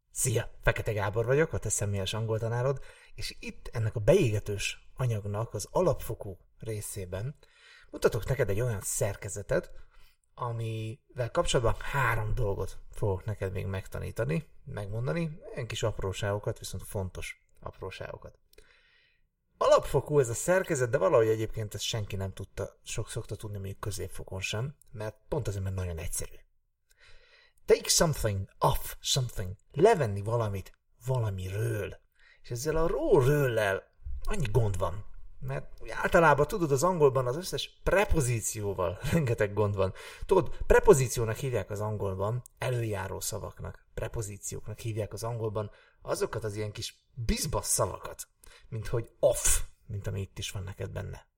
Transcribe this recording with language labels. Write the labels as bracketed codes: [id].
[hu] Szia, Fekete Gábor vagyok, a te személyes angoltanárod, és itt ennek a beégetős anyagnak az alapfokú részében mutatok neked egy olyan szerkezetet, amivel kapcsolatban három dolgot fogok neked még megtanítani, megmondani, ilyen kis apróságokat, viszont fontos apróságokat. Alapfokú ez a szerkezet, de valahogy egyébként ezt senki nem tudta, sok szokta tudni, mondjuk középfokon sem, mert pont azért, mert nagyon egyszerű. [en] Take something off something. [hu] Levenni valamit valamiről. És ezzel a ról-ről-el annyi gond van. Mert általában tudod, az angolban az összes prepozícióval rengeteg gond van. Tudod, prepozíciónak hívják az angolban, előjáró szavaknak, prepozícióknak hívják az angolban azokat az ilyen kis bizbasz szavakat, mint hogy off, mint ami itt is van neked benne.